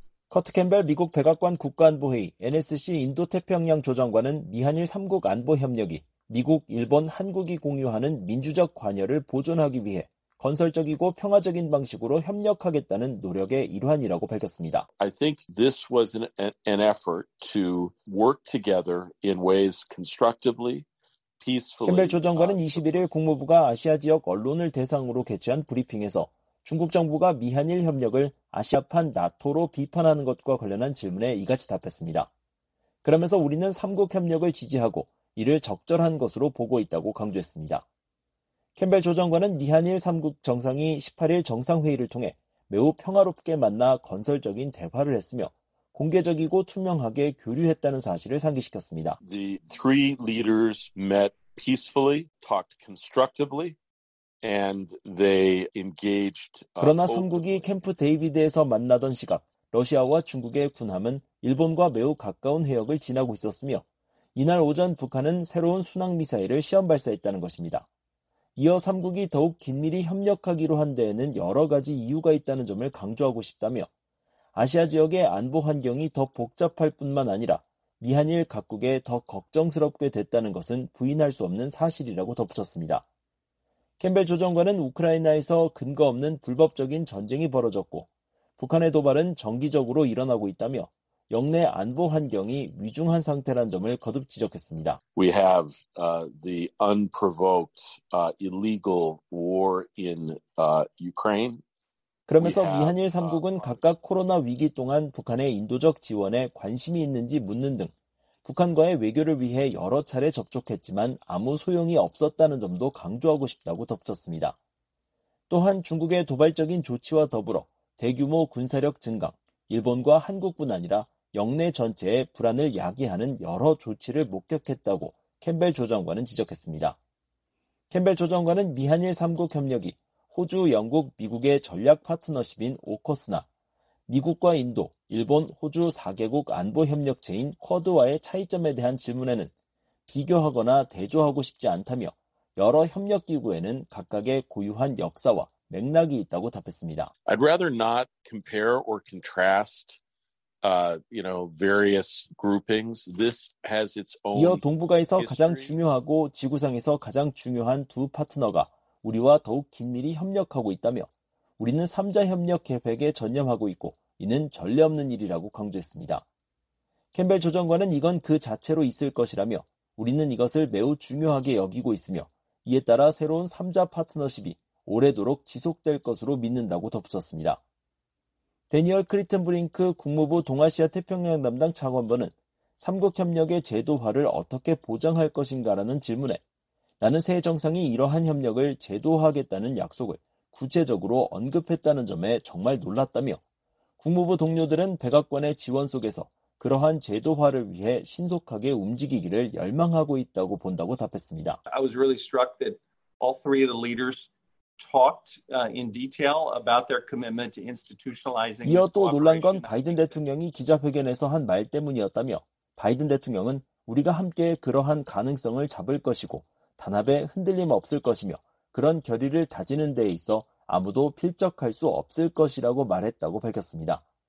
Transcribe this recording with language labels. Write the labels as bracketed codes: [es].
[ko] 커트 캠벨 미국 백악관 국가안보회의 NSC 인도태평양 조정관은 미한일 3국 안보 협력이 미국, 일본, 한국이 공유하는 민주적 관여를 보존하기 위해 건설적이고 평화적인 방식으로 협력하겠다는 노력의 일환이라고 밝혔습니다. [en] I think this was an effort to work together in ways constructively, peacefully. [ko] 캠벨 조정관은 21일 국무부가 아시아 지역 언론을 대상으로 개최한 브리핑에서 중국 정부가 미한일 협력을 아시아판 나토로 비판하는 것과 관련한 질문에 이같이 답했습니다. 그러면서 우리는 3국 협력을 지지하고 이를 적절한 것으로 보고 있다고 강조했습니다. 캠벨 조정관은 미한일 3국 정상이 18일 정상회의를 통해 매우 평화롭게 만나 건설적인 대화를 했으며 공개적이고 투명하게 교류했다는 사실을 상기시켰습니다. [en] The three leaders met peacefully, talked constructively, and they engaged. [ko] 그러나 3국이 캠프 데이비드에서 만나던 시각, 러시아와 중국의 군함은 일본과 매우 가까운 해역을 지나고 있었으며 이날 오전 북한은 새로운 순항미사일을 시험 발사했다는 것입니다. 이어 3국이 더욱 긴밀히 협력하기로 한 데에는 여러 가지 이유가 있다는 점을 강조하고 싶다며 아시아 지역의 안보 환경이 더 복잡할 뿐만 아니라 미한일 각국에 더 걱정스럽게 됐다는 것은 부인할 수 없는 사실이라고 덧붙였습니다. 캠벨 조정관은 우크라이나에서 근거 없는 불법적인 전쟁이 벌어졌고 북한의 도발은 정기적으로 일어나고 있다며 영내 안보 환경이 위중한 상태라는 점을 거듭 지적했습니다. [en] We have the unprovoked illegal war in Ukraine. [ko] 그러면서 미한일 3국은 각각 코로나 위기 동안 북한의 인도적 지원에 관심이 있는지 묻는 등 북한과의 외교를 위해 여러 차례 접촉했지만 아무 소용이 없었다는 점도 강조하고 싶다고 덧붙였습니다. 또한 중국의 도발적인 조치와 더불어 대규모 군사력 증강, 일본과 한국뿐 아니라 영내 전체의 불안을 야기하는 여러 조치를 목격했다고 캠벨 조정관은 지적했습니다. 캠벨 조정관은 미한일 3국 협력이 호주, 영국, 미국의 전략 파트너십인 오커스나 미국과 인도, 일본, 호주 4개국 안보협력체인 쿼드와의 차이점에 대한 질문에는 비교하거나 대조하고 싶지 않다며 여러 협력기구에는 각각의 고유한 역사와 맥락이 있다고 답했습니다. [en] I'd rather not compare or contrast various groupings. This has its own. [ko] 이어 동북아에서 가장 중요하고 지구상에서 가장 중요한 두 파트너가 우리와 더욱 긴밀히 협력하고 있다며 우리는 3자 협력 계획에 전념하고 있고 이는 전례 없는 일이라고 강조했습니다. 캠벨 조정관은 이건 그 자체로 있을 것이라며 우리는 이것을 매우 중요하게 여기고 있으며 이에 따라 새로운 3자 파트너십이 오래도록 지속될 것으로 믿는다고 덧붙였습니다. 대니얼 크리튼브링크 국무부 동아시아 태평양 담당 차관보는 3국 협력의 제도화를 어떻게 보장할 것인가라는 질문에 나는 새 정상이 이러한 협력을 제도화하겠다는 약속을 구체적으로 언급했다는 점에 정말 놀랐다며 국무부 동료들은 백악관의 지원 속에서 그러한 제도화를 위해 신속하게 움직이기를 열망하고 있다고 본다고 답했습니다. [en] I was really struck that all three of the leaders talked in detail about their commitment to institutionalizing. [ko] 이어 또 놀란 건 바이든 대통령이 기자회견에서 한 말 때문이었다며 바이든 대통령은 우리가 함께 그러한 가능성을 잡을 것이고 단합에 흔들림 없을 것이며 그런 결의를 다지는 데 있어 아무도 필적할 수 없을 것이라고 말했다고 밝혔습니다.